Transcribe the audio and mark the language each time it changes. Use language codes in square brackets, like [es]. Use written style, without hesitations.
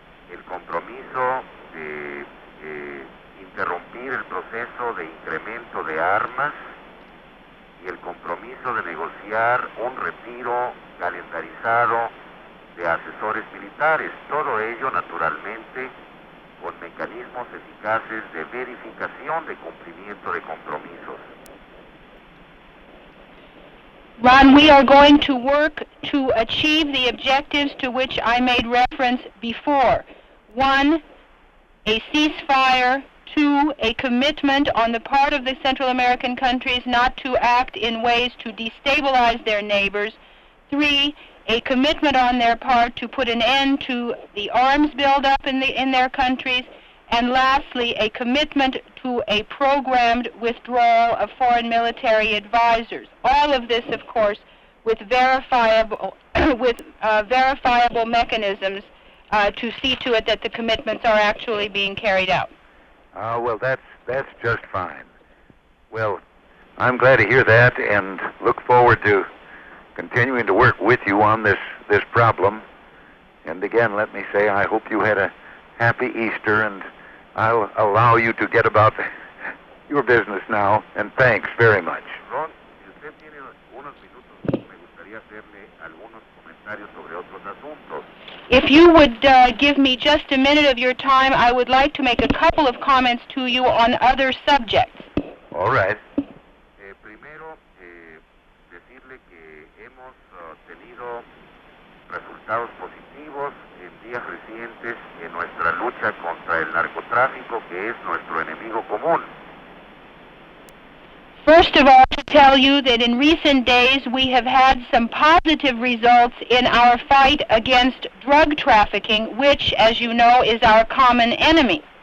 [es] el compromiso de interrumpir el proceso de incremento de armas, y el compromiso de negociar un retiro calendarizado de asesores militares, todo ello naturalmente con mecanismos eficaces de verificación de cumplimiento de compromisos. [en] Ron, we are going to work to achieve the objectives to which I made reference before. One, a ceasefire. Two, a commitment on the part of the Central American countries not to act in ways to destabilize their neighbors. Three, a commitment on their part to put an end to the arms buildup in their countries. And lastly, a commitment to a programmed withdrawal of foreign military advisors. All of this, of course, with verifiable, verifiable mechanisms to see to it that the commitments are actually being carried out. Well, that's just fine. Well, I'm glad to hear that and look forward to continuing to work with you on this problem. And again, let me say I hope you had a happy Easter, and I'll allow you to get about your business now, and thanks very much. [es] Ron, si usted tiene unos minutos, me gustaría hacerle algunos comentarios sobre otros asuntos. [en] If you would give me just a minute of your time, I would like to make a couple of comments to you on other subjects. All right. [es] Primero, decirle que hemos tenido resultados positivos en días recientes en nuestra lucha contra el narcotráfico, que es nuestro enemigo común. [en] First of all, to tell you that in recent days we have had some positive results in our fight against drug trafficking, which, as you know, is our common enemy.